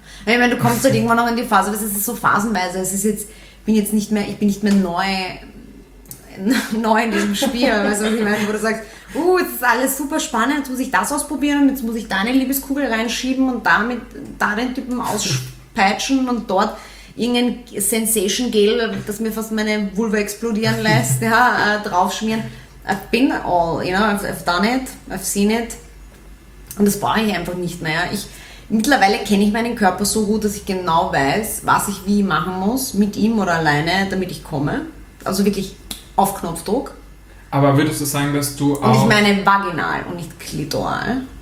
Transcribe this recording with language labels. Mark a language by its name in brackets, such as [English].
[German] Ich meine, du kommst halt irgendwann noch in die Phase, weil es ist so phasenweise. Es ist jetzt, ich bin nicht mehr neu in diesem Spiel. Weißt du, was ich meine? Wo du sagst, jetzt ist alles super spannend, jetzt muss ich das ausprobieren und jetzt muss ich da eine Liebeskugel reinschieben und damit da den Typen auspeitschen und dort irgendein Sensation-Gel, das mir fast meine Vulva explodieren lässt, ja, draufschmieren. [English] I've been all, you know, I've done it, I've seen it. [German] Und das brauche ich einfach nicht mehr. Ich, mittlerweile kenne ich meinen Körper so gut, dass ich genau weiß, was ich wie machen muss, mit ihm oder alleine, damit ich komme. Also wirklich auf Knopfdruck. Aber würdest du sagen, dass du auch... Und ich meine vaginal und nicht klitoral.